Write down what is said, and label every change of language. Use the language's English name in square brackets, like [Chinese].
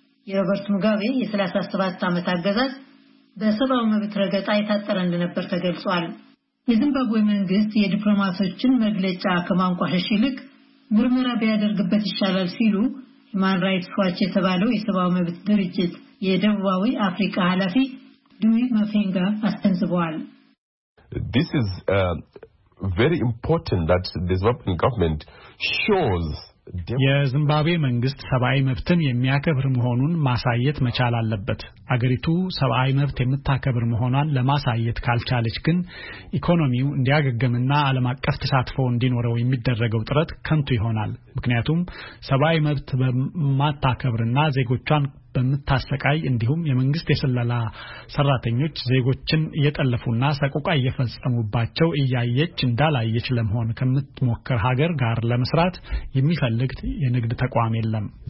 [Amharic] የሮበርት ሙጋቤ የ37 ዓመት አገዛዝ በሰብአዊ መብት ረገጣ የታጠረ እንደነበር ተገልጿል። የዚምባብዌ መንግስት የዲፕሎማቶችን መግለጫ ከማንቋሸሽ ይልቅ ምርመራ ቢያደርግበት ይሻላል ሲሉ ማን ራይትስ ዋች የተባለው የሰብአዊ መብት ድርጅት የደቡባዊ አፍሪካ ኃላፊ ዱዊ ማፌንጋ አስተንዝበዋል። [English] This is very important that the Zimbabwean government shows [Amharic] የዝምባብዌ መንግስት ሰብአዊ መብትን የሚያከብር መሆኑን ማሳየት መቻል አለበት። አገሪቱ ሰብአዊ መብት የምታከብር መሆኗን ለማሳየት ካልቻለች ግን ኢኮኖሚው እንዲያገግምና ዓለም አቀፍ ተሳትፎ እንዲኖረው የሚደረገው ጥረት ከንቱ ይሆናል። ምክንያቱም ሰብአዊ መብት በማታከብርና ዜጎቿን በመታሰቃይ እንዲሁም የመንግስት የሰላላ ሰራተኞች ዜጎችን የጠለፉና ሰቆቃ እየፈጸሙባቸው እያየች እንዳላየች ለመሆን ከምትሞክር ሀገር ጋር ለመስራት የሚፈልግ የንግድ ተቋም የለም።